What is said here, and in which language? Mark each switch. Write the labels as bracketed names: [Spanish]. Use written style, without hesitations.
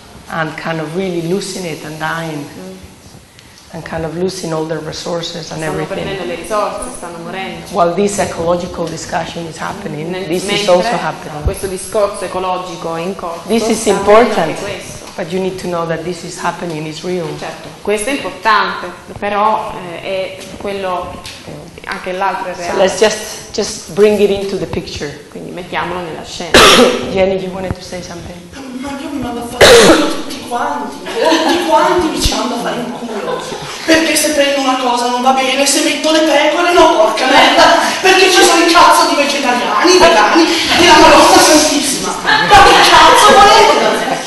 [English] And kind of really losing it and dying. And kind of losing all their resources and everything. [Italian] Stanno perdendo le risorse, stanno morendo. [English] While this ecological discussion is happening, this is also happening. [Italian] Questo discorso ecologico è in corso. [English] This is important, but you need to know that this is happening, it's real. [Italian] Certo, questo è importante, però è quello anche l'altro è reale. [English] So let's just bring it into the picture. [Italian] Quindi mettiamolo nella scena. [English] Jenny, you wanted to say something? [Italian] Tutti quanti mi ci vanno a fare un culo, perché se prendo una cosa non va bene, se metto le pecore no, porca merda, perché ci sono il cazzo di vegetariani, vegani e la malossa santissima, ma che cazzo volete?